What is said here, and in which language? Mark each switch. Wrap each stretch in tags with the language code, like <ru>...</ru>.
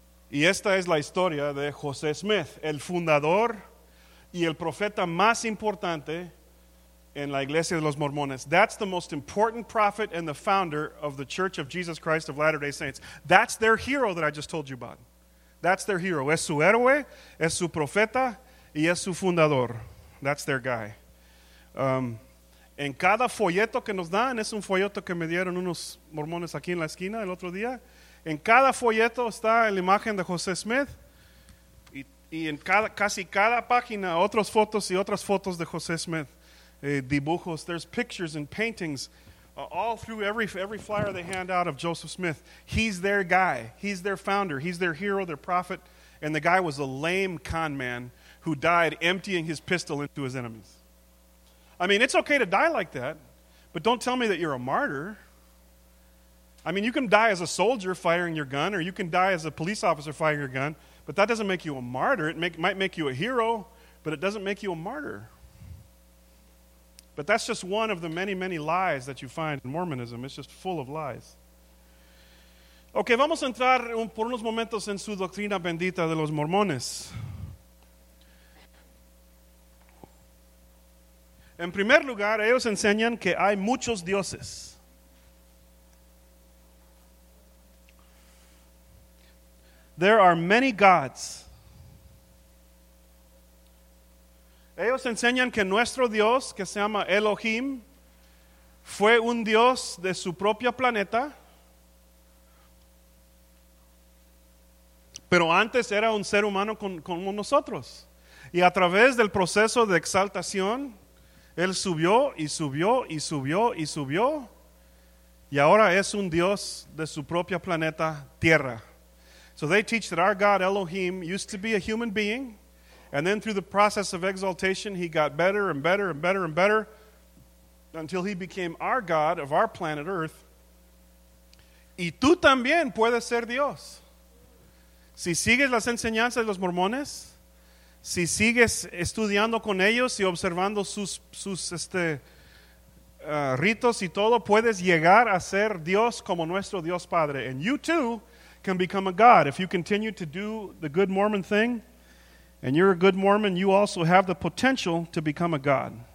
<es>Y esta es la historia de José Smith, el fundador y el profeta más importante en la Iglesia de los Mormones.</es> <en>That's the most important prophet and the founder of the Church of Jesus Christ of Latter-day Saints. That's their hero that I just told you about. That's their hero.</en> <es>Es su héroe, es su profeta y es su fundador.</es> <en>That's their guy.</en> <es>En cada folleto que nos dan, es un folleto que me dieron unos mormones aquí en la esquina el otro día. En cada folleto está la imagen de José Smith y en casi cada página otras fotos de José Smith, dibujos.</es> <en>There's pictures and paintings all through every flyer they hand out of Joseph Smith. He's their guy. He's their founder. He's their hero, their prophet. And the guy was a lame con man who died emptying his pistol into his enemies. I mean, it's okay to die like that, but don't tell me that you're a martyr. I mean, you can die as a soldier firing your gun, or you can die as a police officer firing your gun, but that doesn't make you a martyr. It might make you a hero, but it doesn't make you a martyr. But that's just one of the many, many lies that you find in Mormonism. It's just full of lies.</en> <es>Okay, vamos a entrar por unos momentos en su doctrina bendita de los mormones. En primer lugar, ellos enseñan que hay muchos dioses.</es> <en>There are many gods.</en> <es>Ellos enseñan que nuestro Dios, que se llama Elohim, fue un Dios de su propio planeta, pero antes era un ser humano como nosotros. Y a través del proceso de exaltación, Él subió y subió y subió y subió, y ahora es un Dios de su propio planeta Tierra.</es> <en>So they teach that our God, Elohim, used to be a human being, and then through the process of exaltation, he got better and better and better and better until he became our God of our planet Earth.</en> <es>Y tú también puedes ser Dios. Si sigues las enseñanzas de los mormones, si sigues estudiando con ellos y observando sus ritos y todo, puedes llegar a ser Dios como nuestro Dios Padre.</es> <en>And you too can become a god. If you continue to do the good Mormon thing, and you're a good Mormon, you also have the potential to become a god.</en>